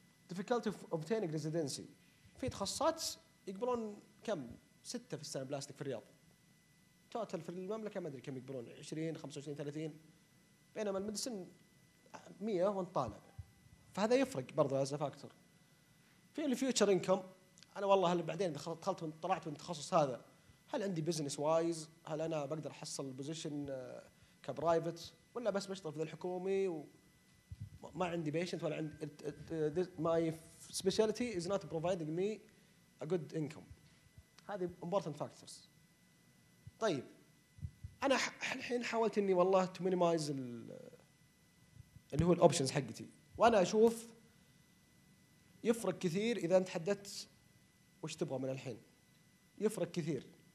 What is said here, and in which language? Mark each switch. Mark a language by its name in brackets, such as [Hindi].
[English] difficulty of obtaining residency [Arabic] في تخصصات يقبلون كم 6 في السنة بلاستيك في الرياض توتال في المملكة ما أدري كم يقبلون 20-25-30 بينما المدسن 100 وانت طالع فهذا يفرق برضو هذا فاكتور. في الفيوتشر إنكم أنا والله هل بعدين دخلت طلعت من التخصص هذا هل عندي بزنس وايز هل أنا بقدر أحصل بوزيشن كبرايفت ولا بس بشتغل في الحكومي و ما عندي بيشنت ولا عندي my [English] specialty is not providing me a good income. [Arabic] هذه [English] important factors. [Arabic] طيب انا الحين حاولت اني والله [English] to minimize [Arabic] اللي هو الاوبشنز حقتي، وانا اشوف يفرق كثير اذا انت حددت وش تبغى من الحين، يفرق كثير.